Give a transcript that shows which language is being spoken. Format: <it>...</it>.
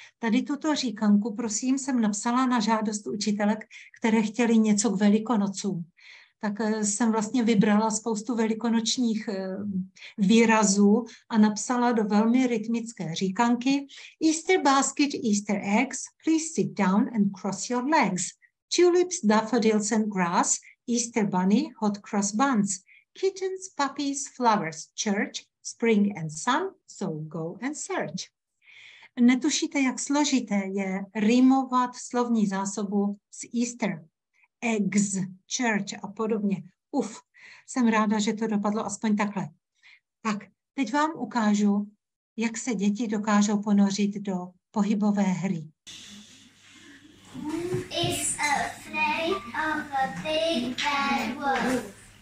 <cs>Tady tuto říkanku, prosím, jsem napsala na žádost učitelek, které chtěly něco k Velikonocům. Tak jsem vlastně vybrala spoustu velikonočních výrazů a napsala do velmi rytmické říkanky</cs> <en>Easter basket, Easter eggs, please sit down and cross your legs. Tulips, daffodils and grass, Easter bunny, hot cross buns. Kittens, puppies, flowers, church, spring and sun, so go and search.</en> <cs>Netušíte, jak složité je rýmovat slovní zásobu s Easter.</cs> <en>Eggs, church</en> <cs>a podobně. Uf, jsem ráda, že to dopadlo aspoň takhle. Tak, teď vám ukážu, jak se děti dokážou ponořit do pohybové hry.</cs> <en>Who is afraid of a big bad wolf?</en>